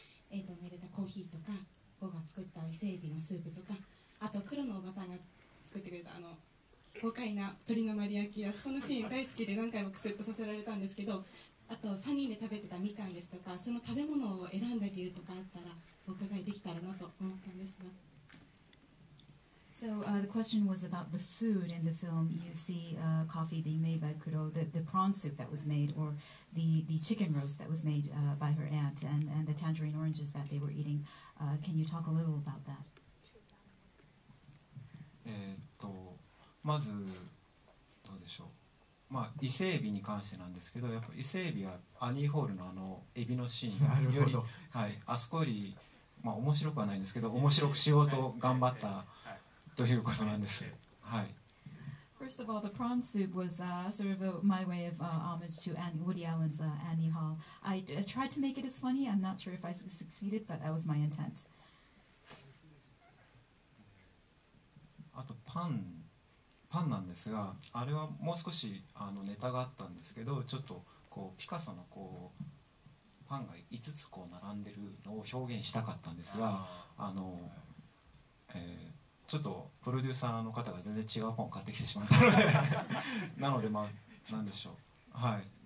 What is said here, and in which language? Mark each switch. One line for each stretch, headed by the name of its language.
Japanese: 寝れたコーヒーとか、ゴーが作った伊勢海老のスープとか、あと黒のおばさんが作ってくれたあの豪快な鶏の丸焼き、あそこのシーン大好きで何回もくすっとさせられたんですけど、あと3人で食べてたみかんですとか、その食べ物を選んだ理由とかあったらお伺いできたらなと思ったんですが。
English: So the question was about the food in the film. You see coffee being made by Kuro, the prawn soup that was made, or the chicken roast that was made by her aunt, and the tangerine oranges that they were eating. Can you talk a little about that?
Japanese: まずどうでしょう、まあ、伊勢エビに関してなんですけど、やっぱ伊勢エビはアニーホールのあのエビのシーンより、はい、あそこより、まあ、面白くはないんですけど、面白くしようと頑張ったということなんです。はい。
English: First of all, the prawn soup was sort of my way of homage to Woody Allen's Annie Hall. I tried to make it as funny. I'm not sure if I succeeded, but that was my intent.
Japanese: あとパンなんですが、あれはもう少しあのネタがあったんですけど、ちょっとこうピカソのこうパンが5つこう並んでるのを表現したかったんですが、あの、ちょっとプロデューサーの方が全然違うパンを買ってきてしまったのでなので、まあ、なんでしょう、はい。